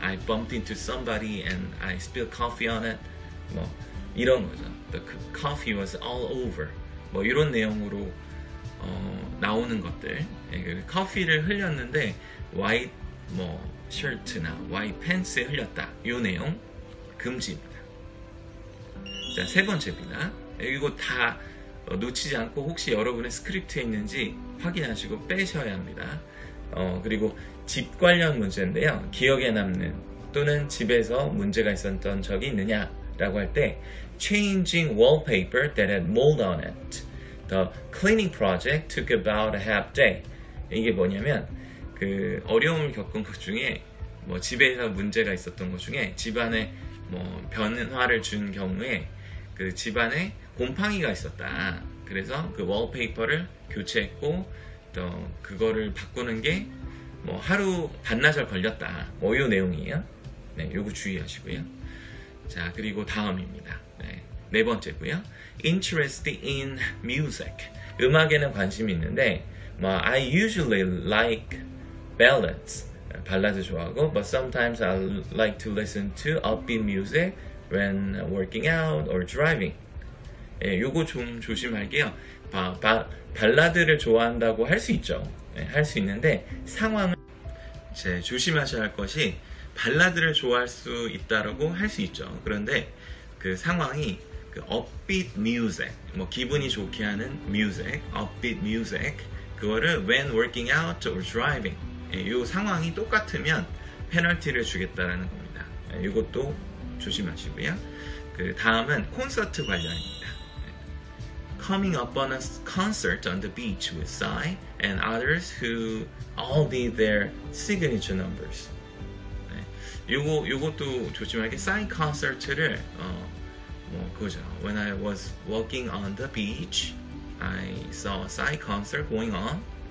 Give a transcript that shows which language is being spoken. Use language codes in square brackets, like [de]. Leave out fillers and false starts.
[en] I bumped into somebody and I spilled coffee on it. [ko] 뭐 이런 거죠. [en] The coffee was all over. [ko] 뭐 이런 내용으로 나오는 것들. 커피를 흘렸는데 white 뭐 셔츠나 white pants에 흘렸다. 요 내용 금지입니다. 자, 세 번째입니다. 이거 다 놓치지 않고 혹시 여러분의 스크립트에 있는지 확인하시고 빼셔야 합니다. 그리고 집 관련 문제인데요. 기억에 남는 또는 집에서 문제가 있었던 적이 있느냐 라고 할 때 [en] changing wallpaper that had mold on it. The cleaning project took about a half day. [ko] 이게 뭐냐면 그 어려움을 겪은 것 중에 뭐 집에서 문제가 있었던 것 중에 집안에 뭐 변화를 준 경우에 그 집안에 곰팡이가 있었다. 그래서 그 wallpaper를 교체했고 또 그거를 바꾸는 게 뭐 하루 반나절 걸렸다. 뭐 요 내용이에요. 네, 요거 주의하시고요. 자, 그리고 다음입니다. 네, 네 번째고요. [en] Interest in music. [ko] 음악에는 관심이 있는데 뭐 [en] I usually like ballads. [ko] 발라드 좋아하고 [en] but sometimes I like to listen to upbeat music when working out or driving. [ko] 예, 요거 좀 조심할게요. 발라드를 좋아한다고 할 수 있죠. 예, 할 수 있는데 상황은 제 조심하셔야 할 것이 발라드를 좋아할 수 있다라고 할 수 있죠. 그런데 그 상황이 그 upbeat music, 뭐 기분이 좋게 하는 music, upbeat music, 그거를 [en] when working out or driving, [ko] 이 상황이 똑같으면 페널티를 주겠다라는 겁니다. 이것도 조심하시고요. 그 다음은 콘서트 관련입니다. [en] Coming up on a concert on the beach with Psy and others who all need their signature numbers. [ko] 네. 요것도 조심하게 Psy concert를 뭐 그죠. [en] When I was walking on the beach, I saw a Psy concert going on.